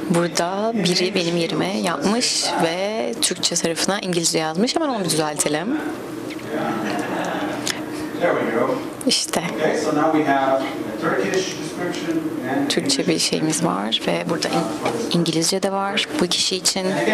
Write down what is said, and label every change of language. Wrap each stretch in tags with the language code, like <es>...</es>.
<tr>Burada biri benim yerime yapmış ve Türkçe tarafına İngilizce yazmış. Hemen onu düzeltelim.</tr> <en>There we go.</en> <tr>İşte.</tr> <en>Okay, so now we have a Turkish description and</en> <tr>Türkçe bir şeyimiz var ve burada İngilizce de var bu kişi için.</tr>